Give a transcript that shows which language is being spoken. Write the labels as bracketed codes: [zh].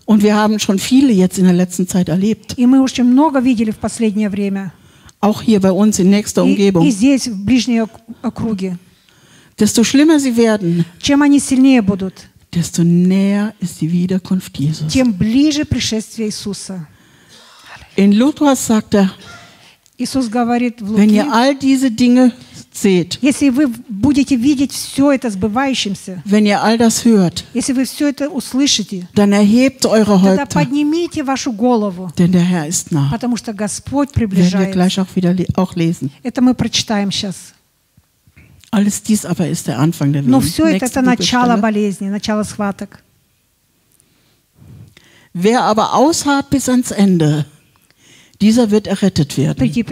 [de] Und wir haben schon viele jetzt in der letzten Zeit erlebt. [ru] И мы уже много видели в последнее время. [de] Auch hier bei uns in nächster Umgebung. [ru] И здесь в ближней округе. [de] desto schlimmer sie werden, [ru] чем они сильнее будут, [de] desto näher ist die Wiederkunft Jesus. [ru] Тем ближе пришествие Иисуса. [de] In Lukas sagt er, [ru] Иисус говорит в [de] Луке, wenn ihr all diese Dinge seht, [ru] если вы будете видеть все это сбывающимся, [de] wenn ihr all das hört, [ru] если вы все это услышите, [de] dann erhebt eure Häupter, [ru] тогда поднимите вашу голову, [de] denn der Herr ist nah. [ru] Потому что Господь приближается. [de] Werden wir gleich auch wieder auch lesen. [ru] Это мы прочитаем сейчас. [de] Alles dies aber ist der Anfang der [ru] Но все Next это начало болезни, начало схваток. [de] Wer aber ausharrt bis ans Ende, dieser wird errettet werden.